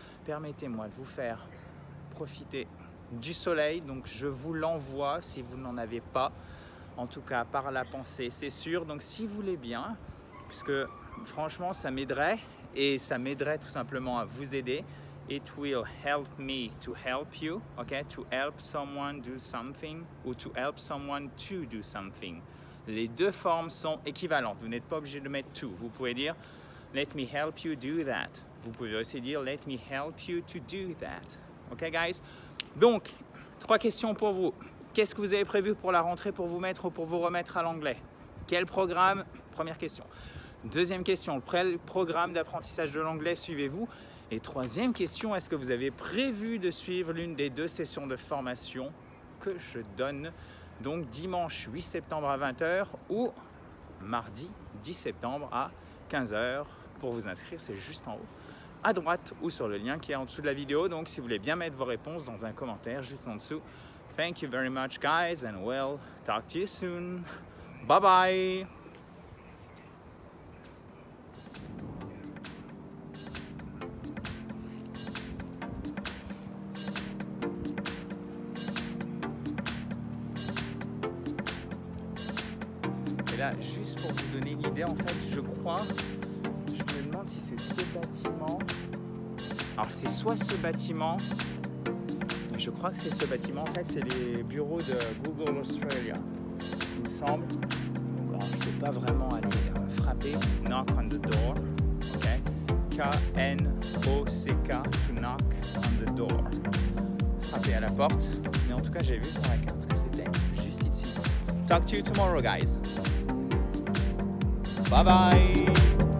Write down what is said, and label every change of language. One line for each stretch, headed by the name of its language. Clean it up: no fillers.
French: Permettez-moi de vous faire profiter du soleil. Donc, je vous l'envoie si vous n'en avez pas. En tout cas, par la pensée, c'est sûr. Donc, si vous voulez bien, puisque franchement, ça m'aiderait et ça m'aiderait tout simplement à vous aider.
English: It will help me to help you, ok? To help someone do something ou to help someone to do something.
French: Les deux formes sont équivalentes. Vous n'êtes pas obligé de mettre to. Vous pouvez dire,
English: let me help you do that.
French: Vous pouvez aussi dire,
English: let me help you to do that. Ok, guys?
French: Donc, trois questions pour vous. Qu'est-ce que vous avez prévu pour la rentrée pour vous mettre ou pour vous remettre à l'anglais? Quel programme? Première question. Deuxième question, quel programme d'apprentissage de l'anglais suivez-vous? Et troisième question, est-ce que vous avez prévu de suivre l'une des deux sessions de formation que je donne donc dimanche 8 septembre à 20h ou mardi 10 septembre à 15h? Pour vous inscrire, c'est juste en haut à droite ou sur le lien qui est en dessous de la vidéo. Donc, si vous voulez bien mettre vos réponses dans un commentaire juste en dessous.
English: Thank you very much, guys, and we'll talk to you soon. Bye-bye.
French: Et là, juste pour vous donner une idée, en fait, je crois, je me demande si c'est ce bâtiment. Alors, c'est soit ce bâtiment. Je crois que c'est ce bâtiment, en fait, c'est les bureaux de Google Australia, il me semble. Donc, alors, je ne peux pas vraiment aller frapper.
English: Knock on the door, ok? K-N-O-C-K, to knock on the door.
French: Frapper à la porte. Mais en tout cas, j'ai vu sur la carte que c'était juste ici.
English: Talk to you tomorrow, guys. Bye-bye!